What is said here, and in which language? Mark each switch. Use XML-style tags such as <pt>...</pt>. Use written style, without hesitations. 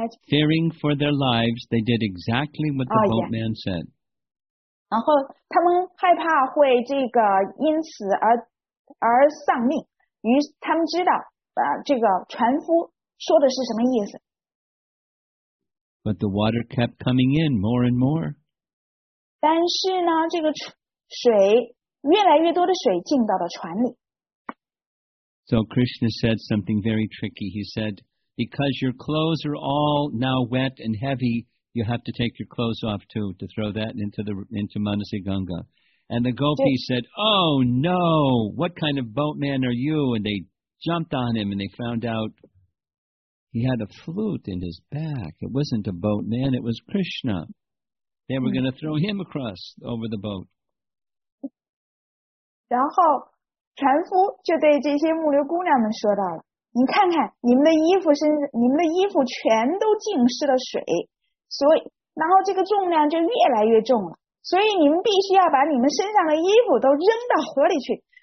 <en>Fearing for their lives, they did exactly what the boatman said.</en> <zh>然后他们害怕会这个因此而丧命，于他们知道这个船夫说的是什么意思。</zh> <en>But the water kept coming in more and more.</en> <zh>但是呢，这个水越来越多的水进到了船里。</zh> <en>So Krishna said something very tricky. He said, because your clothes are all now wet and heavy, you have to take your clothes off too, to throw that into Manasiganga. And the gopi said, oh no, what kind of boatman are you? And they jumped on him and they found out he had a flute in his back. It wasn't a boatman, it was Krishna. They were going to throw him across over the boat.</en> <zh>然后船夫就对这些牧牛姑娘们说到了，你看看你们的衣服全都浸湿了水，所以然后这个重量就越来越重了，所以你们必须要把你们身上的衣服都扔到河里去。</zh>